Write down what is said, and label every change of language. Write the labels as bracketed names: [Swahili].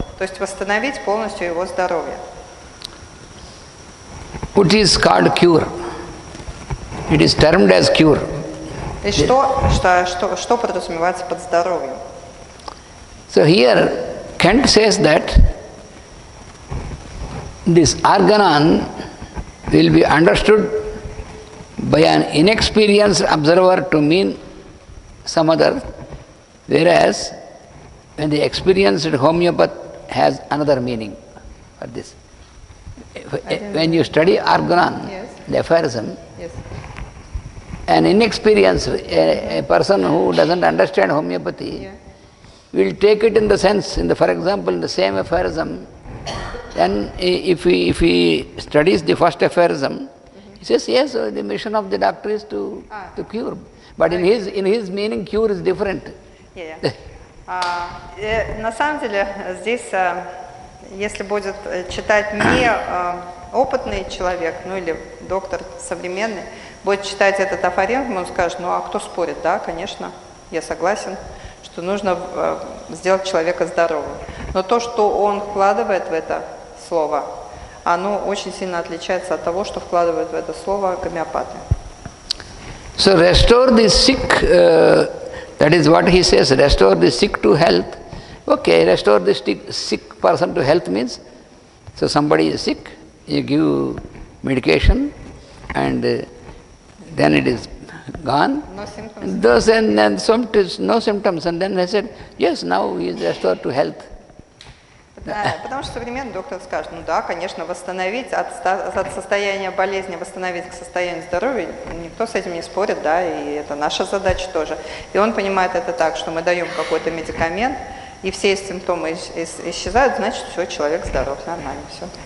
[Russian] То есть восстановить полностью его здоровье. [English] What is called cure? It is termed as cure. [Russian] И что подразумевается под здоровьем? [English] So here Kant says that this Arganon will be understood by an inexperienced observer to mean some other, whereas when the experienced homeopath has another meaning for this. When you study Arganon, yes, the aphorism, yes, an inexperienced person who doesn't understand homeopathy, yeah, will take it in the sense, in the, for example, in the same aphorism, then if he studies the first aphorism, mm-hmm, he says, yes, so the mission of the doctor is to cure. But okay, in his meaning, cure is different. [Russian] На самом деле, здесь, если будет читать не опытный человек, ну или доктор современный, будет читать этот афоризм, он скажет, ну а кто спорит? Да, конечно, я согласен, что нужно сделать человека здоровым. Но то, что он вкладывает в это слово, оно очень сильно отличается от того, что вкладывают в это слово гомеопаты. [English] So restore the sick, that is what he says, restore the sick to health. Okay, restore the sick person to health means, so somebody is sick, you give medication and then it is gone. No symptoms. No symptoms. And then I said, yes, now he is restored to health. [Russian] Потому что современный доктор скажет, ну да, конечно, восстановить от состояния болезни, восстановить к состоянию здоровья, никто с этим не спорит, да, и это наша задача тоже. И он понимает это так, что мы даем какой-то медикамент, и все симптомы исчезают, значит, все, человек здоров, нормально, все.